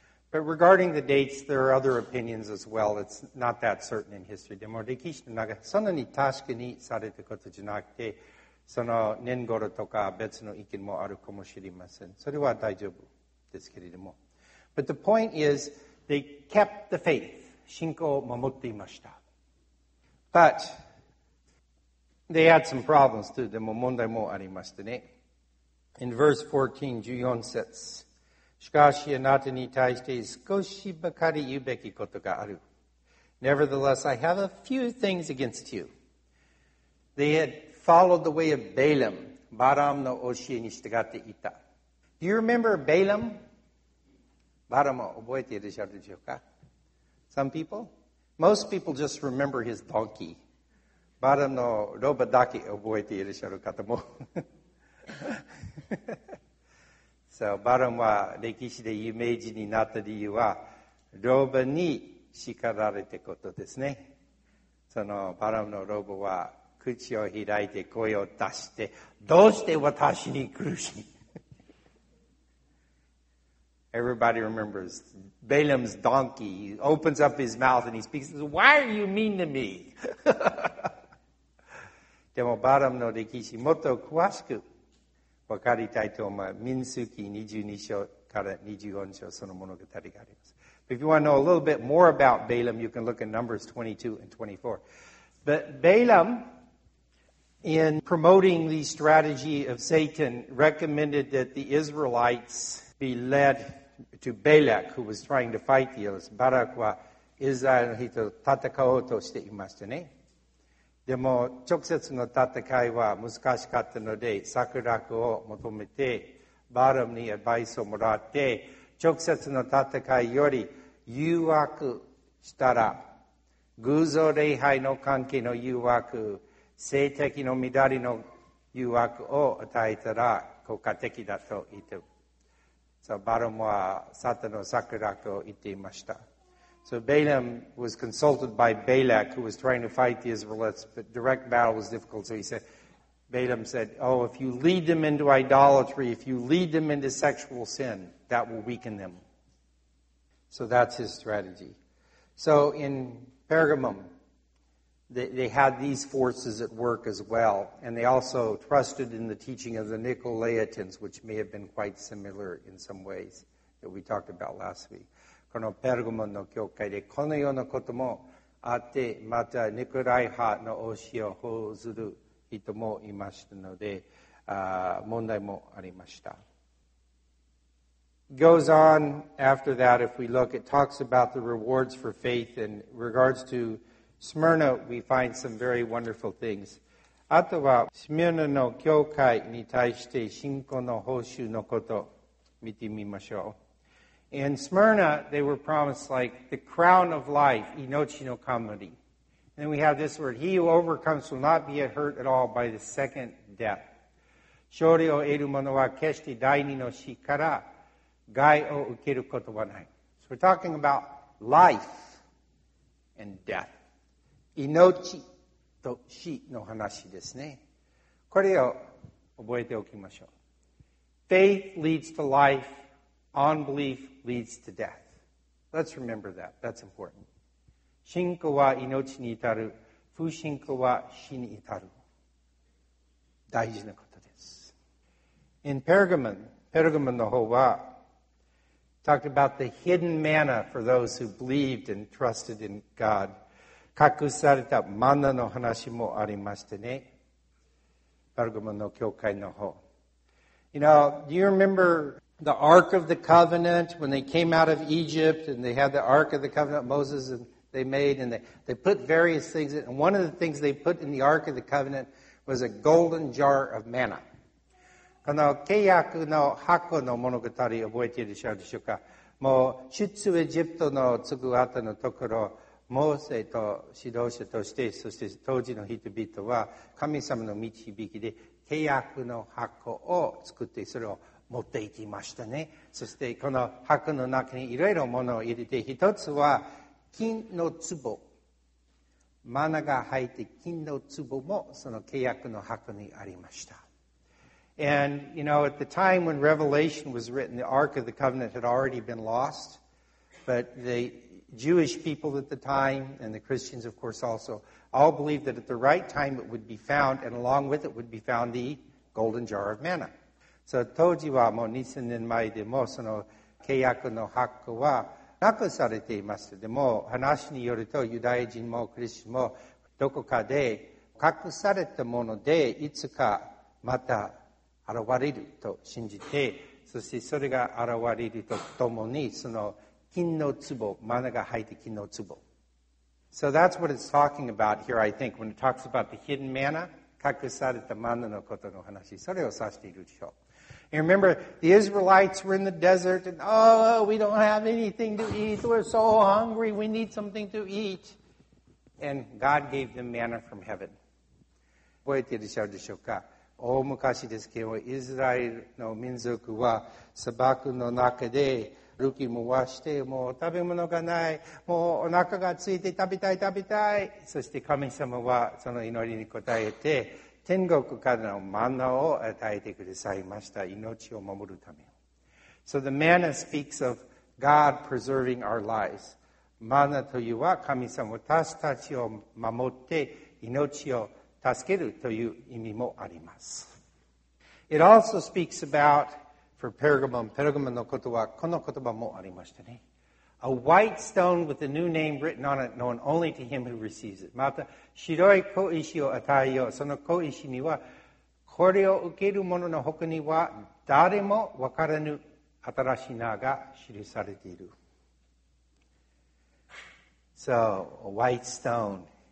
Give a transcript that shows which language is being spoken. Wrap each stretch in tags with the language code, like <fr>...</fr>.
<en>But regarding the dates, there are other opinions as well. It's not that certain in history.</en> <ja>でも歴史の中、そんなに確かにされたことじゃなくて、その年頃とか別の意見もあるかもしれません。それは大丈夫ですけれども。</ja> <en>But the point is, they kept the faith.</en> <ja>信仰を守っていました。</ja> <en>But they had some problems too.</en> <ja>でも問題もありましたね。</ja> <en>In verse 14, 14 says,</en> <ja>しかし、あなたに対して少しばかり言うべきことがある。</ja> <en>Nevertheless, I have a few things against you. They had followed the way of Balaam.</en> <ja>バラムの教えに従っていた。</ja> <en>Do you remember Balaam?</en> <ja>バラムを覚えていらっしゃるでしょうか?</ja> <en>Some people? Most people just remember his donkey.</en> <ja>バラムのロバだけ覚えていらっしゃる方も。 So, バラムは歴史で有名人になった理由は、ローバに叱られたことですね。そのバラムのローバは口を開いて声を出して、どうして私に苦しい</ja> <en>Everybody remembers Balaam's donkey. He opens up his mouth and he speaks, Why are you mean to me?</en> <ja>でもバラムの歴史もっと詳しく、分かりたいと思います。民数記22章から24章その物語があります。</ja> <en>If you want to know a little bit more about Balaam, you can look at Numbers 22 and 24. But Balaam, in promoting the strategy of Satan, recommended that the Israelites be led to Balak, who was trying to fight the Israelites.</en> <ja>バラクはイスラエルの人と戦おうとしていましたね。でも直接の戦いは難しかったので、策略を求めて、バラムにアドバイスをもらって、直接の戦いより誘惑したら、偶像礼拝の関係の誘惑、性的の乱れの誘惑を与えたら効果的だと言っている。 So, バラムはサタンの策略を言っていました。</ja> <en>So Balaam was consulted by Balak, who was trying to fight the Israelites, but direct battle was difficult. So he said, Balaam said, oh, if you lead them into idolatry, if you lead them into sexual sin, that will weaken them. So that's his strategy. So in Pergamum, they had these forces at work as well, and they also trusted in the teaching of the Nicolaitans, which may have been quite similar in some ways that we talked about last week.</en> <ja>このペルゴモンの教会でこのようなこともあって、またニコライ派の教えをほずる人もいましたので、問題もありました。</ja> <en>Goes on after that, if we look, it talks about the rewards for faith. In regards to Smyrna, we find some very wonderful things.</en> <ja>あとは、スミルナの教会に対して信仰の報酬のこと見てみましょう。</ja> <en>In Smyrna, they were promised like the crown of life,</en> <ja>inochi no kamuri.</ja> <en>And then we have this word, he who overcomes will not be hurt at all by the second death.</en> <ja>勝利を得る者は決して第二の死から害を受けることはない。</ja> <en>So we're talking about life and death.</en> <ja>Inochi と死の話ですね。これを覚えておきましょう。</ja> <en>Faith leads to life. Unbelief leads to death. Let's remember that. That's important.</en> <ja>信仰は命に至る。不信仰は死に至る。大事なことです。</ja> <en>In Pergamon, Pergamon</en> <ja>の方は、</ja> <en>talked about the hidden manna for those who believed and trusted in God.</en> <ja>隠されたマナの話もありましてね。パルゴモの教会の方。</ja> <en>You know, do you remember the Ark of the Covenant when they came out of Egypt and they had the Ark of the Covenant Moses and they made and they put various things in, and one of the things they put in the Ark of the Covenant was a golden jar of manna.</en> <ja>この契約の箱の物語覚えているでしょうか。もう出エジプトの継ぐ後のところ、モーセと指導者として、そして当時の人々は神様の導きで契約の箱を作ってそれを持っていきましたね。そしてこの箱の中にいろいろものを入れて、一つは金の壺、マナが入って金の壺もその契約の箱にありました。</ja> <en>And, you know, at the time when Revelation was written, the Ark of the Covenant had already been lost. But the Jewish people at the time, and the Christians, of course, also, all believed that at the right time it would be found, and along with it would be found the golden jar of manna.</en> <ja>So, 当時はもう2000年前でも、その契約の箱はなくされていました。でも、話によると、ユダヤ人もクリスチャンもどこかで隠されたもので、いつかまた現れると信じて、そしてそれが現れるとともに、その金の壺、マナが入って金の壺。</ja> <en>So that's what it's talking about here, I think, when it talks about the hidden manna,</en> <ja>隠されたマナのことの話、それを指しているでしょう。</ja> <en>You remember, the Israelites were in the desert, and oh, we don't have anything to eat, we're so hungry, we need something to eat. And God gave them manna from heaven.</en> <ja>覚えているでしょうか。大昔ですけど、イスラエルの民族は砂漠の中で、ルキもわして、もう食べ物がない、もうお腹がついて食べたい食べたい。そして神様はその祈りに応えて、天国からのマナを与えてくださいました。命を守るため。</ja> <en>So the manna speaks of God preserving our lives.</en> <ja>マナというは神様は私たちを守って命を助けるという意味もあります。</ja> <en>It also speaks about, for Pergamon,</en> <ja>Pergamon のことはこの言葉もありましたね。</ja> <en>A white stone with a new name written on it, known only to him who receives it.</en> <ja>また、白い小石を与えよう。その小石には、これを受ける者の他には誰もわからぬ新しい名が記されている。</ja> <en>So, a white stone.</en>